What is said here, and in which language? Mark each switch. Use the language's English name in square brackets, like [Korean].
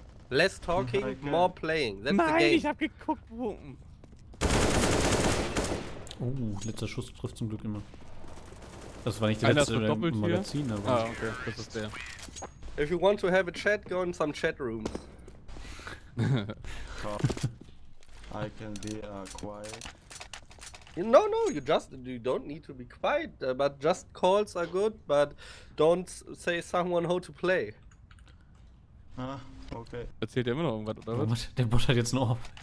[English] Less talking, more playing. That's Nein, the game. [German] Ich hab geguckt, wo. Letzter Schuss trifft zum Glück immer. Das war nicht der letzte im Magazin, hier? Aber. Ah, okay, das ist der. [English] If you want to have a chat, go in some chat rooms. I can be quiet. No, no, you don't need to be quiet, but just calls are good, but don't say someone how to play. Ah, okay. [German] Erzählt der immer noch irgendwas, oder was? Der Bot hat jetzt ein Ohr.